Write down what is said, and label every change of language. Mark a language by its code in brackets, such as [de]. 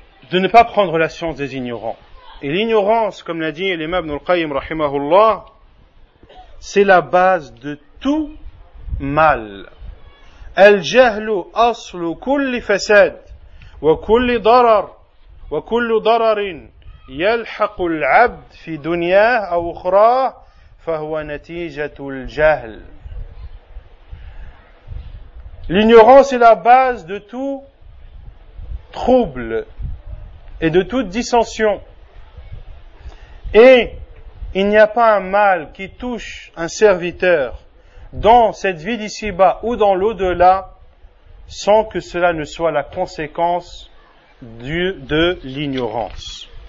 [fr] De ne pas prendre la science des ignorants. Et l'ignorance, comme l'a dit l'imam Ibn al-Qayyim rahimahullah, c'est la base de tout mal. [ar] الجهل أصل كل فساد وكل ضرر وكل ضرر يلحق العبد في دنياه أو أخراه فهو نتيجة الجهل. [fr] L'ignorance est la base de tout trouble et de toute dissension. Et il n'y a pas un mal qui touche un serviteur dans cette vie d'ici-bas ou dans l'au-delà, sans que cela ne soit la conséquence de l'ignorance.